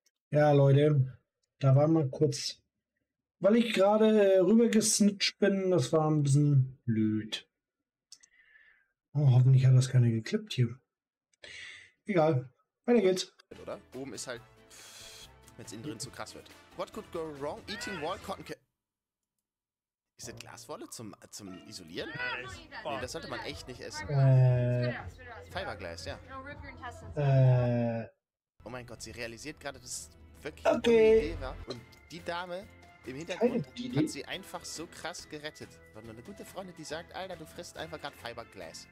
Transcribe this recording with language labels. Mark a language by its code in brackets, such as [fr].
[de] Ja, Leute, da war mal kurz, weil ich gerade rübergesnitcht bin, das war ein bisschen blöd. Oh, hoffentlich hat das keiner geklippt hier. Egal, weiter geht's. Oder? Oben ist halt, wenn es innen drin zu krass wird. [en] What could go wrong eating wall cotton? [de] Ist das Glaswolle zum Isolieren? Nee, das sollte man echt nicht essen. Fiberglas, ja. Oh mein Gott, sie realisiert gerade, das ist wirklich okay. Eine Idee, ja? Und die Dame im Hintergrund hat sie einfach so krass gerettet. Wenn du eine gute Freundin, die sagt, Alter, du frisst einfach gerade Fiberglass.